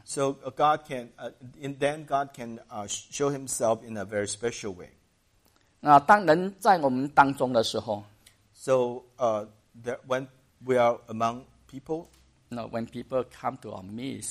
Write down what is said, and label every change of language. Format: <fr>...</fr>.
<en>So God can, and then God can show Himself in a very special way.</en> <zh>那当人在我们当中的时候</zh> <en>，So, that when we are among people, no, when people come to our midst.</en>